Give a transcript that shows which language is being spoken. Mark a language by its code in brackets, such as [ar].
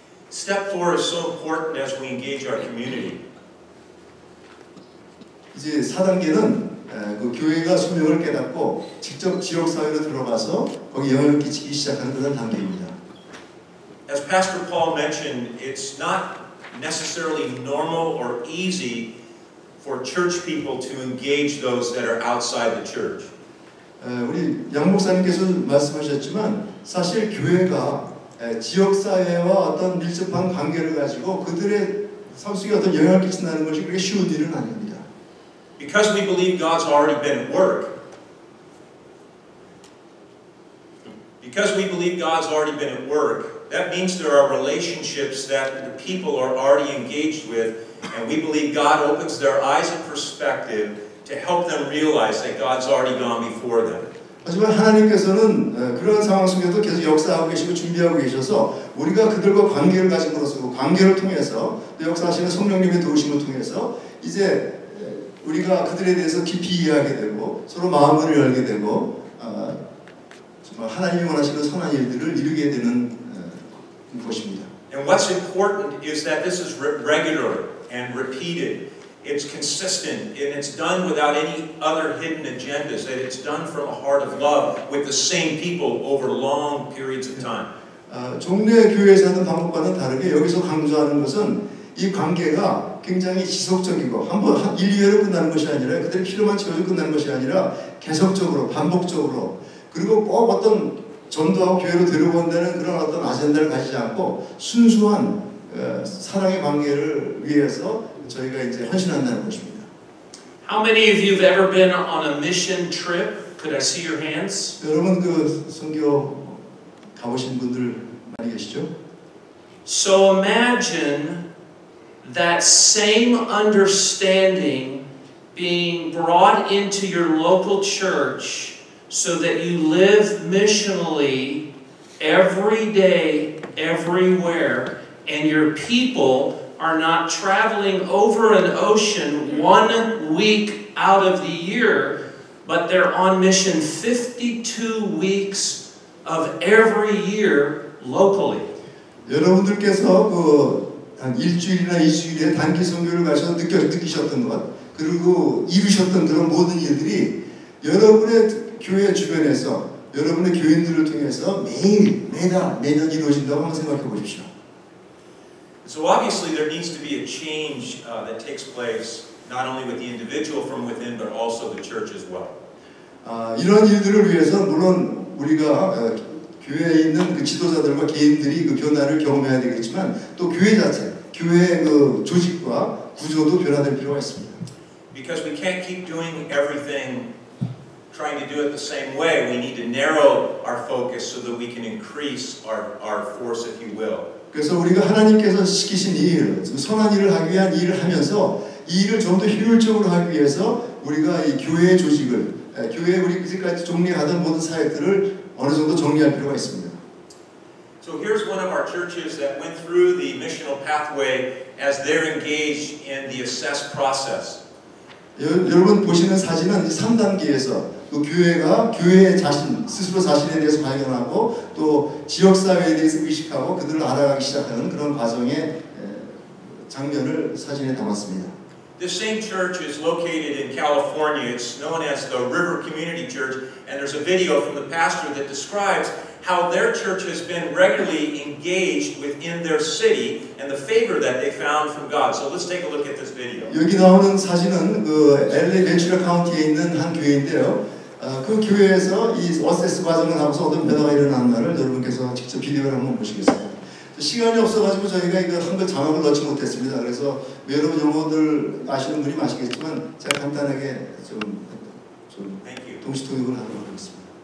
[en] Step 4 is so important as we engage our community. [ko] 이제 4단계는 그 교회가 소명을 깨닫고 직접 지역 사회로 들어가서 거기 영향을 끼치기 시작하는 그런 단계입니다. [en] As Pastor Paul mentioned, it's not necessarily normal or easy for church people to engage those that are outside the church. [ko] 우리 양 목사님께서 말씀하셨지만 사실 교회가 지역사회와 어떤 밀접한 관계를 가지고 그들의 삶 속에 어떤 영향을 끼친다는 것이 그렇게 쉬운 일은 아닙니다. [en] Because we believe God's already been at work. Because we believe God's already been at work, that means there are relationships that the people are already engaged with, and we believe God opens their eyes and perspective to help them realize that God's already gone before them. [ko] 하지만 하나님께서는 그런 상황 속에도 계속 역사하고 계시고 준비하고 계셔서 우리가 그들과 관계를 가짐으로써 관계를 통해서 또 역사하시는 성령님의 도우심을 통해서 이제 우리가 그들에 대해서 깊이 이해하게 되고 서로 마음을 열게 되고 정말 하나님이 원하시는 선한 일들을 이루게 되는 것입니다. [en] And what's important is that this is regular and repeated. It's consistent, and it's done without any other hidden agendas, that it's done from a heart of love with the same people over long periods of time. [ko] 종래 교회에서 하는 방법과는 다르게 여기서 강조하는 것은 이 관계가 굉장히 지속적이고 한번 일회로 끝나는 것이 아니라 그들의 필요만 채워서 끝나는 것이 아니라 계속적으로 반복적으로 그리고 꼭 어떤 전도하고 교회로 데려온다는 그런 어떤 아젠다를 가지지 않고 순수한 사랑의 관계를 위해서 저희가 이제 헌신한다는 것입니다. [en] How many of you have ever been on a mission trip? Could I see your hands? [ko] 여러분 그 선교 가보신 분들 많이 계시죠? [en] So imagine that same understanding being brought into your local church so that you live missionally every day, everywhere, and your people are not traveling over an ocean 1 week out of the year, but they're on mission 52 weeks of every year locally. [ko] 여러분들께서 그 한 일주일이나 이주일에 단기 선교를 가셔서 느끼셨던 것, 그리고 이루셨던 그런 모든 일들이 여러분의 교회 주변에서 여러분의 교인들을 통해서 매일 매달 매년 이루어진다고 한번 생각해 보십시오. [en] So obviously there needs to be a change that takes place not only with the individual from within but also the church as well. [ko] 이런 일들을 위해서 물론 우리가 교회에 있는 그 지도자들과 개인들이 그 변화를 경험해야 되겠지만 또 교회 자체, 교회의 그 조직과 구조도 변화될 필요가 있습니다. [en] Because we can't keep doing everything trying to do it the same way. We need to narrow our focus so that we can increase our force, if you will. [ko] 그래서 우리가 하나님께서 시키신 일, 선한 일을 하기 위한 일을 하면서 이 일을 좀 더 효율적으로 하기 위해서 우리가 이 교회의 조직을, 교회의 우리 지금까지 정리하던 모든 사역들을 어느 정도 정리할 필요가 있습니다. [en] So here's one of our churches that went through the missional pathway as they're engaged in the assess process. [ko] 여러분 보시는 사진은 3단계에서 또 교회가 교회의 자신, 스스로 자신에 대해서 발견하고 또 지역사회에 대해서 의식하고 그들을 알아가기 시작하는 그런 과정의 장면을 사진에 담았습니다. [en] The same church is located in California. It's known as the River Community Church. And there's a video from the pastor that describes how their church has been regularly engaged within their city and the favor that they found from God. So let's take a look at this video. [ko] 여기 나오는 사진은 그 LA 벤츄라 카운티에 있는 한 교회인데요. 그 교회에서 이 어세스 과정을 하면서 어떤 변화가 일어났나를 여러분께서 직접 비디오를 한번 보시겠습니다. 시간이 없어가지고 저희가 이거 한글 자막을 넣지 못했습니다. 그래서 여러분 영어들 아시는 분이 아시겠지만 제가 간단하게 좀 동시통역을 하도록 하겠습니다.